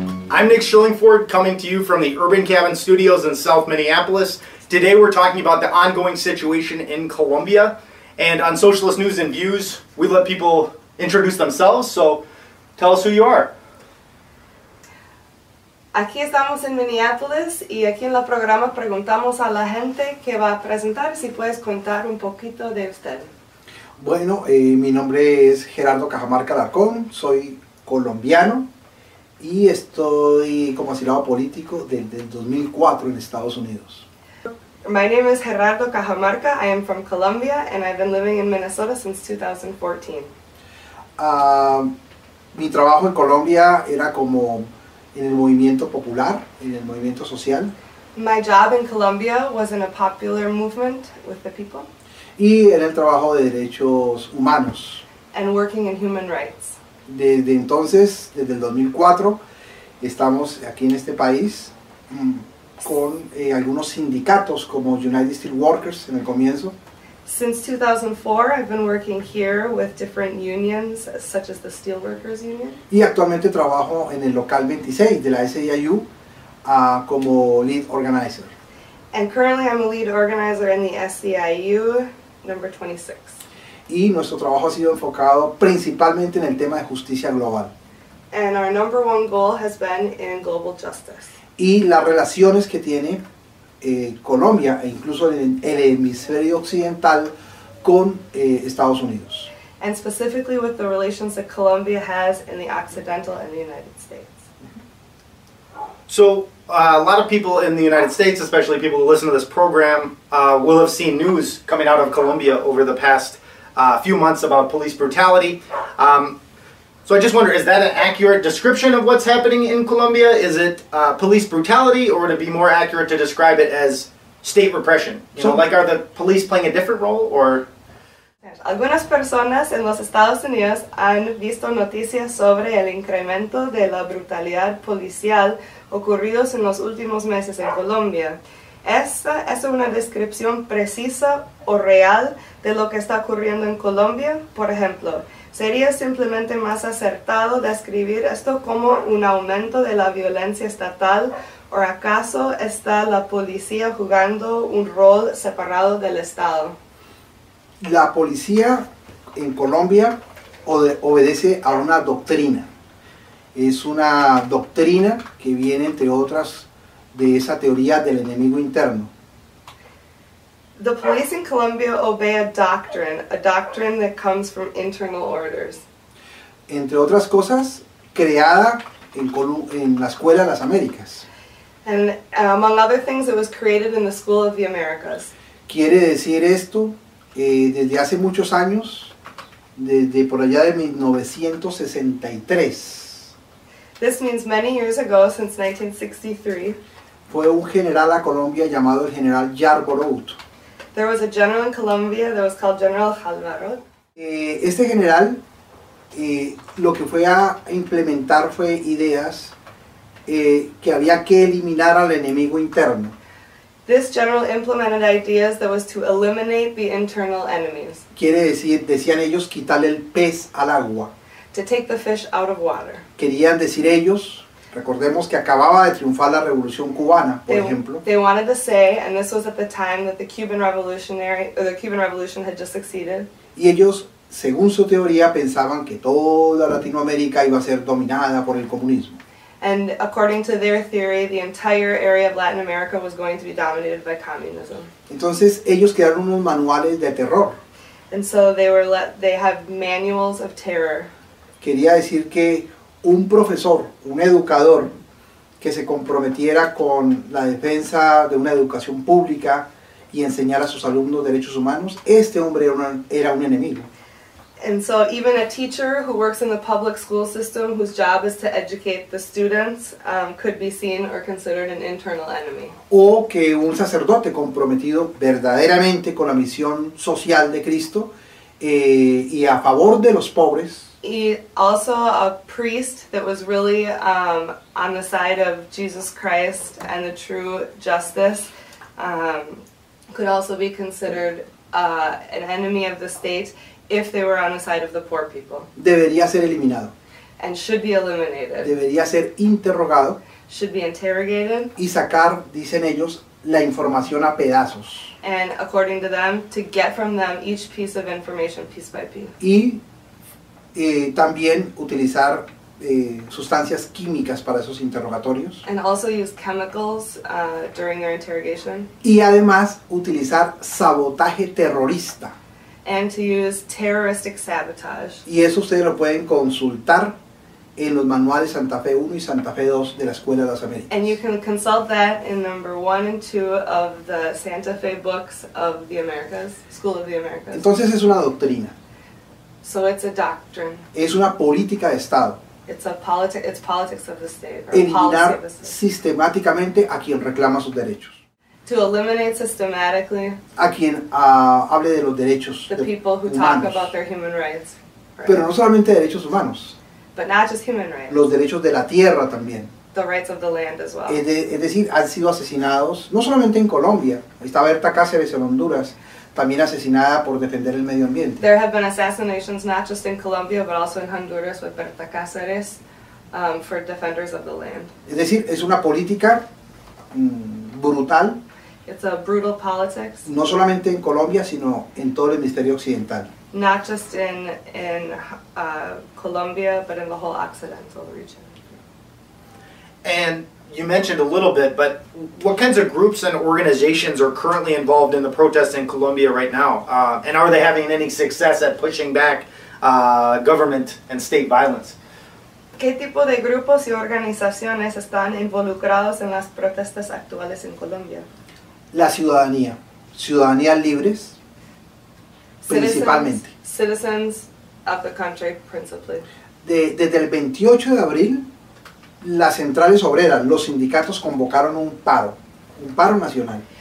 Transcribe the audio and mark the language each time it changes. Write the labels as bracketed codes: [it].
[en] I'm Nick Schillingford, coming to you from the Urban Cabin Studios in South Minneapolis. Today we're talking about the ongoing situation in Colombia. And on Socialist News and Views, we let people introduce themselves. So tell us who you are. [es] Aquí estamos en Minneapolis y aquí en el programa preguntamos a la gente que va a presentar si puedes contar un poquito de usted. Bueno, mi nombre es Gerardo Cajamarca Alarcón, soy colombiano y estoy como asilado político desde 2004 en Estados Unidos. [en] My name is Gerardo Cajamarca, I am from Colombia and I've been living in Minnesota since 2014. [es] Mi trabajo en Colombia era como en el movimiento popular, en el movimiento social. [en] My job in Colombia was in a popular movement with the people. [es] Y en el trabajo de derechos humanos. [en] And working in human rights. [es] Desde entonces, desde el 2004, estamos aquí en este país con algunos sindicatos como United Steel Workers en el comienzo. [en] Since 2004, I've been working here with different unions, such as the Steelworkers Union. [es] Y actualmente trabajo en el local 26 de la SEIU como lead organizer. [en] And currently I'm a lead organizer in the SEIU number 26. [es] Y nuestro trabajo ha sido enfocado principalmente en el tema de justicia global. [en] And our number one goal has been in global justice. [es] Y las relaciones que tiene Colombia e incluso en el hemisferio occidental con Estados Unidos. [en] And specifically with the relations that Colombia has in the Occidental and the United States. So a lot of people in the United States, especially people who listen to this program, will have seen news coming out of Colombia over the past few months about police brutality. So I just wonder, is that an accurate description of what's happening in Colombia? Is it police brutality, or would it be more accurate to describe it as state repression? You know, like, are the police playing a different role, or? [es] Algunas personas en los Estados Unidos han visto noticias sobre el incremento de la brutalidad policial ocurridos en los últimos meses en Colombia. ¿Esta es una descripción precisa o real de lo que está ocurriendo en Colombia? Por ejemplo, ¿sería simplemente más acertado describir esto como un aumento de la violencia estatal o acaso está la policía jugando un rol separado del Estado? La policía en Colombia obedece a una doctrina. Es una doctrina que viene, entre otras, de esa teoría del enemigo interno. [en] The police in Colombia obey a doctrine that comes from internal orders. [es] Entre otras cosas, creada en la Escuela de las Américas. [en] And among other things, it was created in the School of the Americas. [es] Quiere decir esto, desde hace muchos años, desde por allá de 1963. [en] This means many years ago, since 1963. [es] Fue un general a Colombia llamado el general Yarborough. [en] There was a general in Colombia that was called General Alvaro. [es] Este general, lo que fue a implementar fue ideas que había que eliminar al enemigo interno. [en] This general implemented ideas that was to eliminate the internal enemies. [es] Quiere decir, decían ellos, quitarle el pez al agua. [en] To take the fish out of water. [es] Querían decir ellos, recordemos que acababa de triunfar la Revolución Cubana, por ejemplo. [en] They wanted to say, and this was at the time that the Cuban Revolution had just succeeded. [es] Y ellos, según su teoría, pensaban que toda Latinoamérica iba a ser dominada por el comunismo. [en] And according to their theory, the entire area of Latin America was going to be dominated by communism. [es] Entonces, ellos crearon unos manuales de terror. [en] And so they have manuals of terror. [es] Quería decir que un profesor, un educador, que se comprometiera con la defensa de una educación pública y enseñar a sus alumnos derechos humanos, este hombre era un enemigo. [en] And so even a teacher who works in the public school system, whose job is to educate the students, could be seen or considered an internal enemy. [es] O que un sacerdote comprometido verdaderamente con la misión social de Cristo y a favor de los pobres. [en] He also a priest that was really on the side of Jesus Christ and the true justice could also be considered an enemy of the state if they were on the side of the poor people. [es] Debería ser eliminado. [en] And should be eliminated. [es] Debería ser interrogado. [en] Should be interrogated. [es] Y sacar, dicen ellos, la información a pedazos. [en] And according to them, to get from them each piece of information piece by piece. [es] Y también utilizar sustancias químicas para esos interrogatorios. [en] And also use chemicals during their interrogation. [es] Y además utilizar sabotaje terrorista. [en] And to use terroristic sabotage. [es] Y eso ustedes lo pueden consultar en los manuales Santa Fe 1 y Santa Fe 2 de la Escuela de las Américas. [en] And you can consult that in number 1 and 2 of the Santa Fe books of the Americas, School of the Americas. [es] Entonces es una doctrina. [en] So it's a doctrine. [es] Es una política de Estado. [en] It's politics of the state. Or eliminar policy of the state. [es] Sistemáticamente a quien reclama sus derechos. [en] To eliminate systematically. [es] A quien hable de los derechos humanos. [en] The people who talk about their human rights. [es] Pero no solamente derechos humanos. [en] But not just human rights. [es] Los derechos de la tierra también. [en] The rights of the land as well. [es] Es decir, han sido asesinados, no solamente en Colombia. Ahí está Berta Cáceres en Honduras, también asesinada por defender el medio ambiente. [en] There have been assassinations not just in Colombia, but also in Honduras with Berta Cáceres for defenders of the land. [es] Es decir, es una política brutal. [en] It's a brutal politics. [es] No solamente en Colombia, sino en todo el hemisferio occidental. [en] Not just in Colombia, but in the whole Occidental region. And you mentioned a little bit, but what kinds of groups and organizations are currently involved in the protests in Colombia right now? And are they having any success at pushing back government and state violence? [es] ¿Qué tipo de grupos y organizaciones están involucrados en las protestas actuales en Colombia? La ciudadanía. Ciudadanías libres. Principalmente. [en] Citizens of the country, principally. [es] Desde el 28 de abril, las centrales obreras, los sindicatos convocaron un paro nacional.